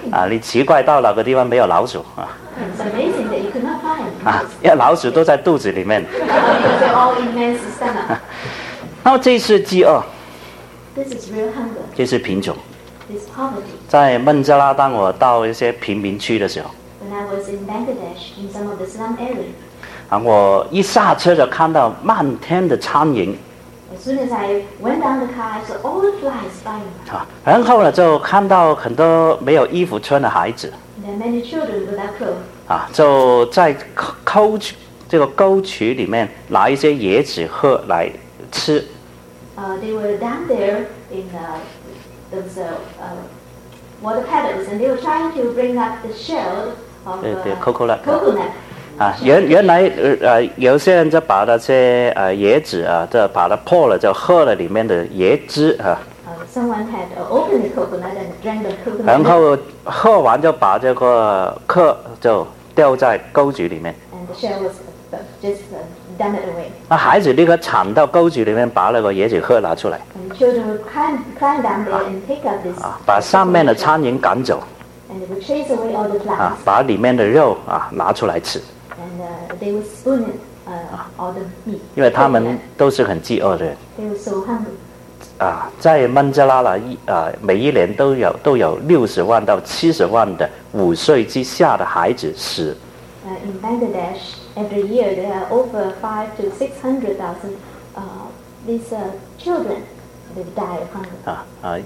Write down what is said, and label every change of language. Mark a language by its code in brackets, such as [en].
[zh] 你奇怪到哪个地方没有老鼠啊？ [en] It's amazing that you could not find. [zh] 因为老鼠都在肚子里面。 [en] Because they're all in man's stomach. [zh] 那么这是饥饿。 [en] This is real hunger. [zh] 这是贫穷。 [en] It's poverty. [zh] 在孟加拉，当我到一些贫民区的时候。 [en] When I was in Bangladesh in some of the slum area. [zh] 我一下车就看到漫天的苍蝇。 [en] As soon as I went down the car, I saw all the flies flying. [zh] 然后呢，就看到很多没有衣服穿的孩子。 [en] There are many children without clothes. [zh] 就在这个沟渠里面拿一些野子喝来吃。 [en] They were down there in those water puddles, and they were trying to bring up the shell of coconut. Coconut. [zh] 原来有些人就把那些椰子啊，就把它破了，就喝了里面的椰汁啊。 [en] Someone had opened the coconut and drank the coconut. [zh] 然后喝完就把这个壳就掉在沟渠里面。 [en] And the shell was just dumped away. [zh] 那孩子立刻铲到沟渠里面，把那个椰子壳拿出来。 [en] And children would climb down there and pick up this. [zh] 把上面的苍蝇赶走。 [en] And they would chase away all the flies. [zh] 把里面的肉拿出来吃。 [en] They would spoon all the meat. [zh] 因为他们都是很饥饿的人。 [en] They were so hungry. [zh] 在孟加拉了每一年都有60万到70万的5岁之下的孩子死。 [en] In Bangladesh, every year there are over 500,000 to 600,000children that die of hunger.